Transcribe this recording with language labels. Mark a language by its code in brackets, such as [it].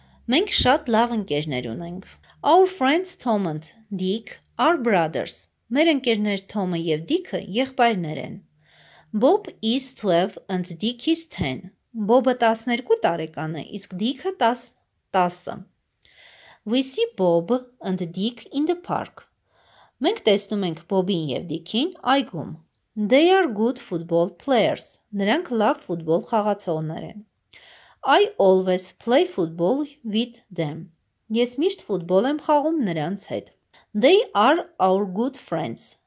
[hy] Մենք շատ լավ ընկերներ ունենք. [en] Our friends Tom and Dick are brothers. [hy] Մեր ընկերներ Թոմը եւ Դիքը եղբայրներ են. [en] Bob is 12 and Dick is 10. [hy] Bob-ը 12 տարեկան է, իսկ Դիքը 10-ը. [en] We see Bob and Dick in the park. [hy] Մենք տեսնում ենք Բոբին եւ Դիքին այգում. [en] They are good football players. [hy] Նրանք լավ ֆուտբոլ խաղացողներ են. [en] I always play football with them. [hy] Ես միշտ ֆուտբոլ եմ խաղում նրանց հետ. [en] They are our good friends.